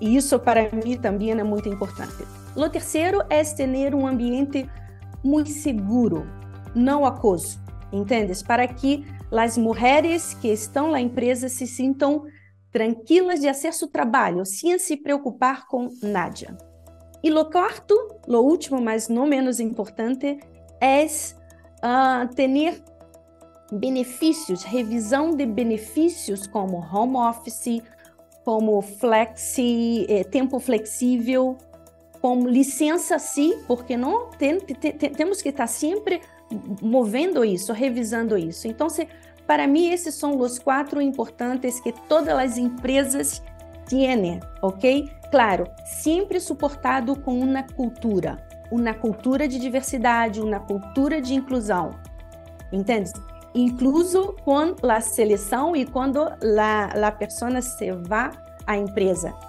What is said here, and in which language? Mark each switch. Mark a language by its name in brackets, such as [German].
[Spanish] Y eso para mí también es muy importante. Lo tercero es tener un ambiente muy seguro, no acoso, ¿entiendes? Para que las mujeres que están en la empresa se sientan tranquilas de hacer su trabajo sin se preocupar con nadie. Y lo cuarto, lo último, mas no menos importante, es tener [Portuguese] benefícios, revisão de benefícios como home office, como flexi, tempo flexível, como licença sim, porque não temos que estar sempre movendo isso, revisando isso. Então, para mim, esses são os quatro importantes que todas as empresas têm, ok? Claro, sempre suportado com uma cultura de diversidade, uma cultura de inclusão, entende? [Spanish] Incluso con la selección y cuando la persona se va a empresa.